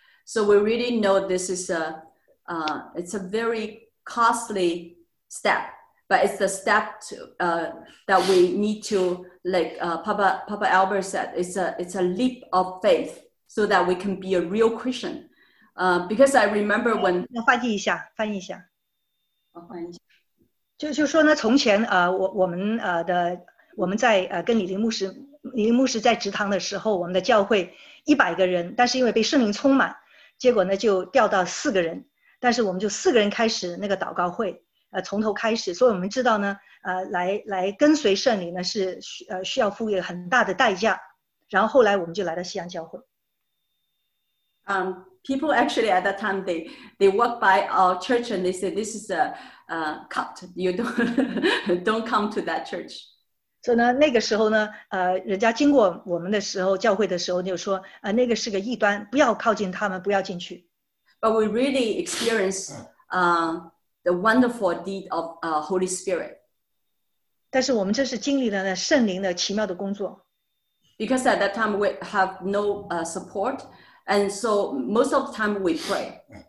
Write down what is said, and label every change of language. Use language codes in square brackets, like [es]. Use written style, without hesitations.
[en] So we really know this is it's a very costly step, but it's the step that we need to, like Papa Albert said, it's a leap of faith so that we can be a real Christian. Because I remember when... [zh] 翻译一下。就说呢，从前我们在跟李林牧师在职堂的时候，我们的教会100个人，但是因为被圣灵充满，结果呢就掉到4个人，但是我们就4个人开始那个祷告会，从头开始。所以我们知道呢，来跟随圣灵呢是需要付一个很大的代价。然后后来我们就来到西安教会。 [en] People actually at that time they walk by our church and they say this is a cult. You don't come to that church. [zh] 所以呢，那个时候呢，人家经过我们的时候，教会的时候，就说，那个是个异端，不要靠近他们，不要进去。 [en] But we really experience the wonderful deed of Holy Spirit. [zh] 但是我们这是经历了圣灵的奇妙的工作。 [en] Because at that time we have no support. And so most of the time we pray.